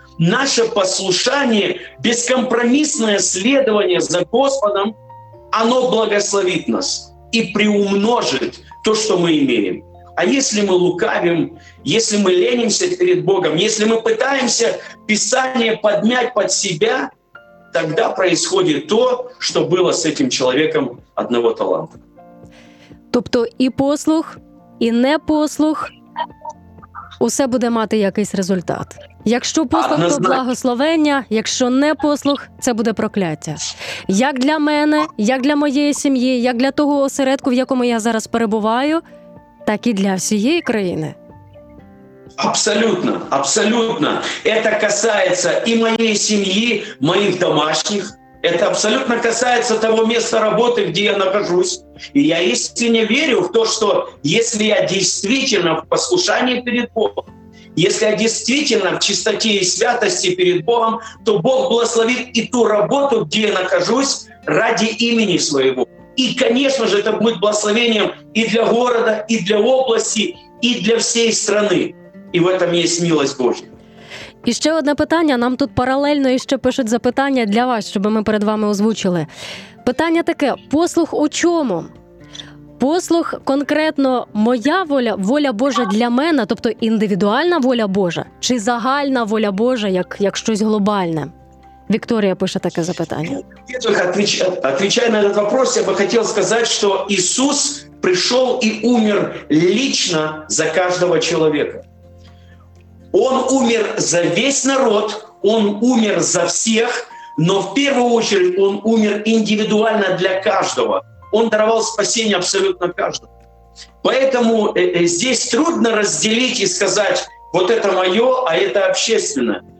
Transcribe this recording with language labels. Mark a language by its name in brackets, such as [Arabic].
[Russian] Наше послушание, бескомпромиссное следование за Господом, оно благословит нас и приумножит то, что мы имеем. А если мы лукавим, если мы ленимся перед Богом, если мы пытаемся Писание подмять под себя, тогда происходит то, что было с этим человеком одного таланта. [Ukrainian] Тобто і послух, і не послух усе буде мати якийсь результат. Якщо послух, то благословення, якщо не послух, це буде прокляття. Як для мене, як для моєї сім'ї, як для того осередку, в якому я зараз перебуваю, так і для всієї країни. Абсолютно, абсолютно. Це касається і моєї сім'ї, моїх домашніх. Це абсолютно касається того місця роботи, де я нахожусь. І я істинно вірю в те, що якщо я дійсно в послушанні перед Богом, [Russian] если я действительно в чистоте и святости перед Богом, то Бог благословит и ту работу, где я нахожусь, ради имени своего. И, конечно же, это будет благословением и для города, и для области, и для всей страны. И в этом есть милость Божья. [Ukrainian] І ще одне питання. Нам тут паралельно іще пишуть запитання для вас, щоб ми перед вами озвучили. Питання таке. Послух у чому? Послух конкретно моя воля, воля Божа для мене, тобто індивідуальна воля Божа, чи загальна воля Божа, як щось глобальне? Вікторія пише таке запитання. Відповідаючи на цей вопрос, я би хотів сказати, що Ісус прийшов і умер лично за кожного чоловіка. [Russian] Он умер за весь народ, он умер за всех, но в первую очередь он умер индивидуально для каждого. Он даровал спасение абсолютно каждому. Поэтому здесь трудно разделить и сказать, вот это мое, а это общественное.